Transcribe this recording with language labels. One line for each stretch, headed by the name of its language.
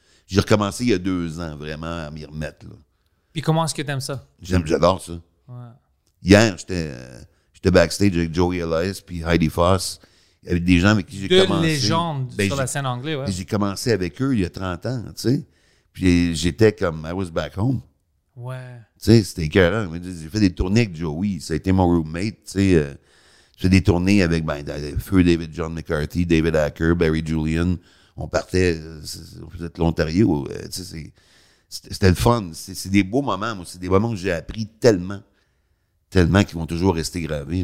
French: J'ai recommencé il y a 2 ans, vraiment, à m'y remettre, là. Puis comment est-ce que t'aimes ça? J'adore ça. Ouais. Hier, j'étais backstage avec Joey Elias puis Heidi Foss. Il y avait des gens avec qui j'ai Deux commencé. Deux légendes sur la scène anglaise, ouais. J'ai commencé avec eux il y a 30 ans, tu sais.
English: Puis j'étais comme, I was back home.
French: Ouais. Tu sais, c'était écœurant. J'ai fait des tournées avec Joey. Ça a été mon roommate, tu sais. J'ai fait des tournées avec, Feu David John McCarthy, David Acker, Barry Julian. On partait, c'est l'Ontario. Tu sais, c'était le fun. C'est des beaux moments, moi. C'est des moments que j'ai appris tellement. Tellement qu'ils vont toujours rester gravés.